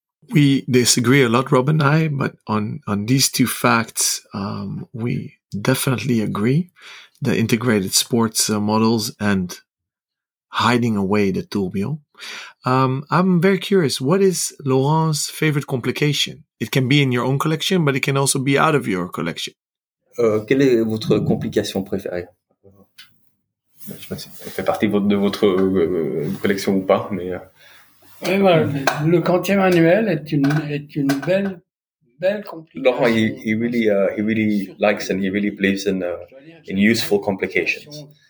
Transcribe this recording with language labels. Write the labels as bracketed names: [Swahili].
[English] We disagree a lot, Rob and I, but on these two facts, we definitely agree. The integrated sports models and hiding away the tourbillon. I'm very curious, what is Laurent's favorite complication? It can be in your own collection, but it can also be out of your collection. [French] Quelle est votre complication préférée? Je sais pas si elle fait partie de votre collection ou pas, mais. Oui, voilà. Le quantième annuel est une belle, belle complication. [English] Laurent, he really likes and he really believes in useful complications.